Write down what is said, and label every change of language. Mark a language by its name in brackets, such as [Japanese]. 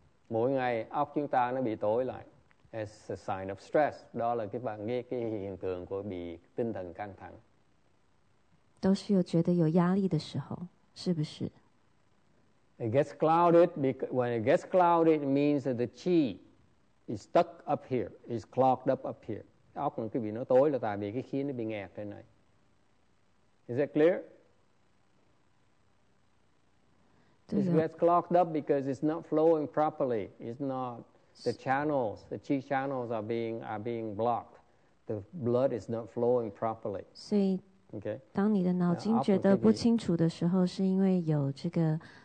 [Vietnamese] Mỗi ngày óc chúng ta nó bị tối lại. [English] It's a sign of stress. [Vietnamese] Đó là cái hiện tượng của bị tinh thần căng thẳng. [Chinese] 都是有觉得有压力的时候，是不是？ [English] It gets clouded because when it gets clouded, it means that the chi is stuck up here, is clogged up here. [Vietnamese] Óc của quý vị nó tối là tại vì cái khí nó bị nghẹt thế này. [English] Is that clear? It gets clogged up because it's not flowing properly. It's not the channels, the chi channels are being blocked. The blood is not flowing properly. Okay. [Chinese] 当你的脑筋觉得不清楚的时候，是因为有这个。